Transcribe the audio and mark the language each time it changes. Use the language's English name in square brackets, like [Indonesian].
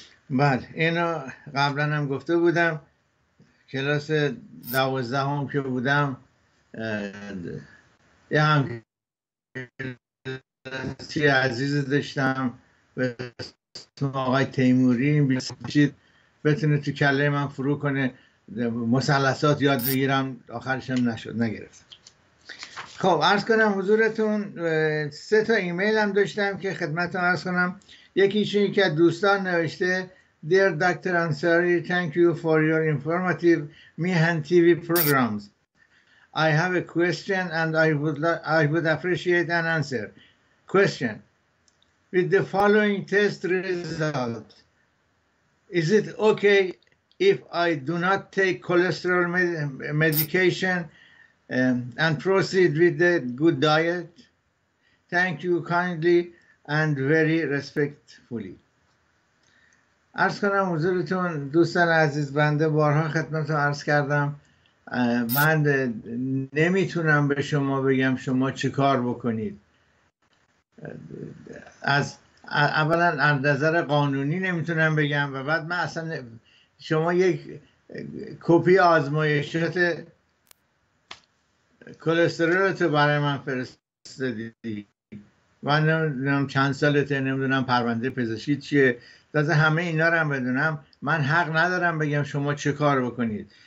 [Persian] بله اینو قبلا هم گفته بودم، کلاس 12 که بودم یه هم کلاسی عزیز داشتم به اسم آقای تیموری، بیشید بتونه تو کله من فرو کنه مثلثات یاد بگیرم، آخرش هم نشد نگرفتم. خب عرض کنم حضورتون سه تا ایمیل هم داشتم که خدمتتون عرض کنم. یکیش اینه که دوستان نوشته [English] Dear Dr. Ansari, thank you for your informative Mihan TV programs. I have a question and I would appreciate an answer. Question: With the following test result, is it okay if I do not take cholesterol medication and proceed with the good diet? Thank you kindly and very respectfully. [Persian] عرض کنم حضورتون دوستان عزیز، بنده بارها خدمتتون عرض کردم من نمیتونم به شما بگم شما چه کار بکنید. از اولا از نظر قانونی نمیتونم بگم و بعد من اصلا شما یک کپی آزمایشات کلسترول تو برای من فرستادی، من نمیدونم چند سالته، نمیدونم پرونده پزشکی چیه، تازه همه اینا رو هم بدونم من حق ندارم بگم شما چه کار بکنید.